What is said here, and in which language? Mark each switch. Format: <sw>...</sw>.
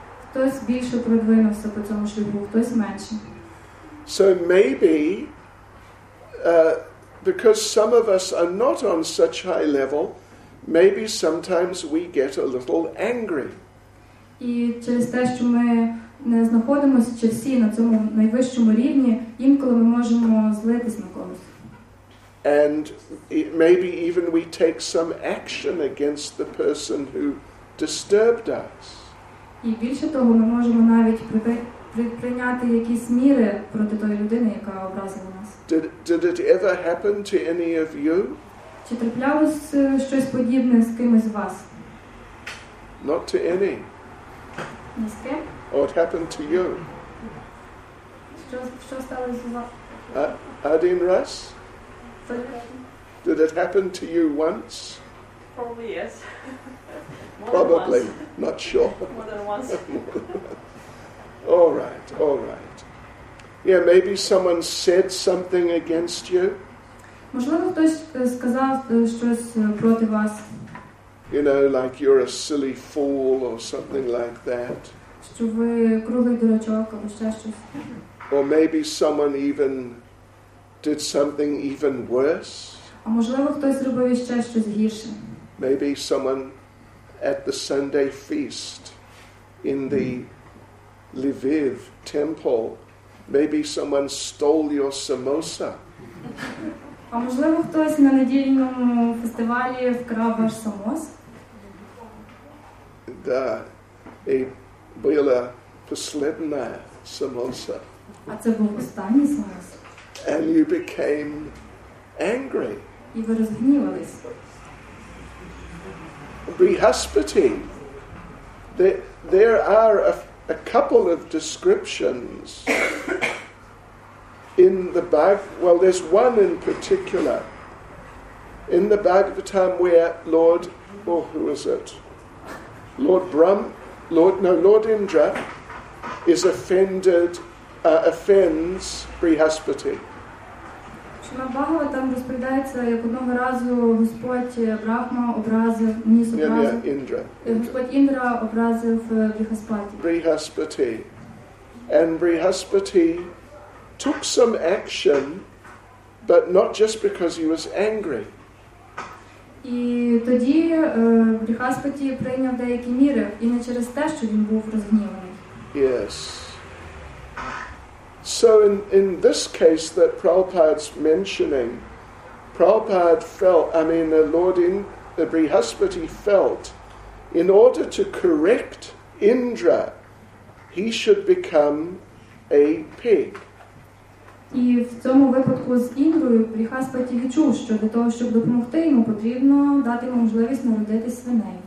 <uk>Хтось більше продвинувся по цьому шляху, хтось менше.</uk> <en>So maybe because some of us are not on such high level, maybe sometimes we get a little angry.</en> <uk>І через те, що ми не знаходимося чи всі на цьому найвищому рівні, інколи ми можемо злитись на когось.</uk> <en>And maybe even we take some action against the person who disturbed us.</en> <uk>І більше того, ми можемо навіть прийняти якісь міри проти тої людини, яка образила нас.</uk> <en>Did it ever happen to any of you?</en> <uk>Чи траплялось щось подібне з кимось з вас?</uk> <en>Not to any.</en> <uk>Ні з ким?</uk> <en>Or it happened to you?</en> <uk>Що сталося з вас? Один раз?</uk> <en>Did it happen to you once? Probably yes. Probably. Not sure. More than once. All right. Yeah, maybe someone said something against you.</en> <uk>Можливо, хтось сказав щось проти вас.</uk> <en>You know, like you're a silly fool or something like that.</en> <uk>Що ви круглий дурачок або ще щось.</uk> <en>Or maybe someone even did something even worse.</en> <uk>А можливо, хтось зробив ще щось гірше.</uk> <en>Maybe someone at the Sunday feast in the Lviv temple. Maybe someone stole your samosa.</en> <uk>А можливо, хтось на недільному фестивалі вкрав ваш самос?</uk> <ru>Да, і була последняя самоса.</ru> <uk>А це був останній самос.</uk> <en>And you became angry.</en> <uk>І ви розгнівались.</uk> <en>Brihaspati. There are a couple of descriptions in the there's one in particular in the Bhagavatam where Lord, who is it? Lord Indra is offended, offends Brihaspati. Brihaspati. And Brihaspati took some action, but not just because he was angry.</en> <uk>І тоді Брихаспаті прийняв деякі міри, і не через те, що він був розгніваний.</uk> <en>Yes. So in this case that Prabhupada's mentioning, Brihaspati felt in order to correct Indra, he should become a pig.</en> <uk>І в цьому випадку з Індрою Брихаспаті відчув, що для того, щоб допомогти йому, потрібно дати йому можливість народити свиней.</uk>